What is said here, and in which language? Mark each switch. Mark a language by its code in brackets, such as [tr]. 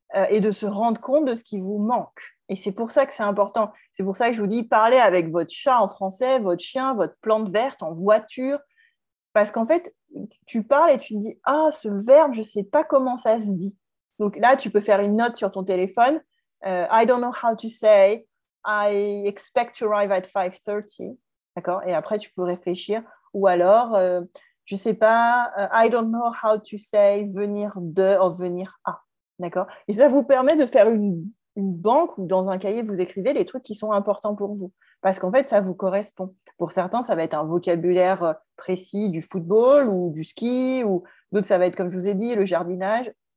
[fr] Et de se rendre compte de ce qui vous manque. Et c'est pour ça que c'est important. C'est pour ça que je vous dis, parlez avec votre chat en français, votre chien, votre plante verte en voiture. Parce qu'en fait, tu parles et tu te dis, ah, ce verbe, je ne sais pas comment ça se dit. Donc là, tu peux faire une note sur ton téléphone. [en] I don't know how to say, I expect to arrive at 5:30. [fr] D'accord? Et après, tu peux réfléchir. Ou alors, je ne sais pas, [en] I don't know how to say, [fr] venir de ou venir à. D'accord? Et ça vous permet de faire une banque où dans un cahier, vous écrivez les trucs qui sont importants pour vous. Parce qu'en fait, ça vous correspond. Pour certains, ça va être un vocabulaire précis du football ou du ski, ou d'autres, ça va être, comme je vous ai dit, le jardinage.